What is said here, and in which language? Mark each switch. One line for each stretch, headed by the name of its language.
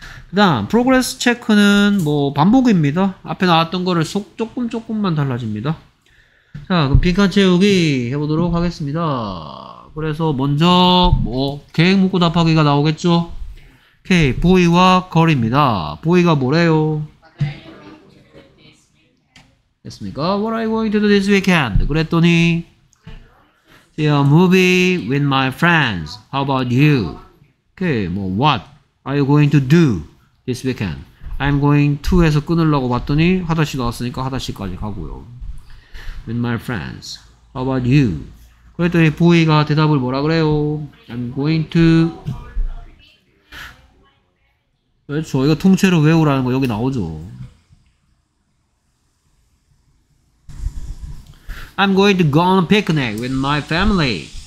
Korean: 그 다음 프로그레스 체크는 뭐 반복입니다. 앞에 나왔던 거를 속 조금 조금만 달라집니다. 자, 그럼 빈칸 채우기 해보도록 하겠습니다. 그래서 먼저 뭐 계획 묻고 답하기가 나오겠죠? 오케이, 보이와 걸입니다. 보이가 뭐래요? 됐습니까?
English: What are you going to do this weekend? 그랬더니 see a movie with my friends. How about you? Okay, 뭐, what are you going to do this weekend? I'm going to에서
Korean: 끊으려고 봤더니 하다시 나왔으니까 하다시까지 가고요.
English: With my friends. How about you?
Korean: 그랬더니 보이가 대답을 뭐라 그래요?
English: I'm going to.
Korean: 그렇죠. 이거 통째로 외우라는 거 여기 나오죠.
English: I'm going to go on a picnic with my family.